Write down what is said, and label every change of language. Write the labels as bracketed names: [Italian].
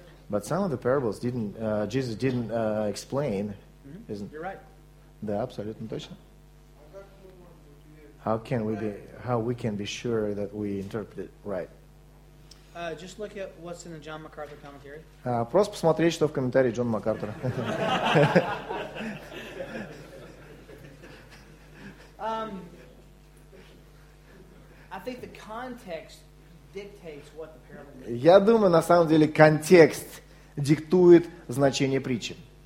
[English] But some of the parables didn't Jesus didn't explain, mm-hmm. isn't? You're right. [Russian] Да, абсолютно точно. [English] How can we be? How we can be sure that we interpret it right? Just look at what's in the John MacArthur commentary. [Russian] Просто посмотреть, что в комментарии Джон МакАртур. [English] I think the context dictates what the parable means. [Russian] Я думаю, на самом деле контекст диктует значение притчи.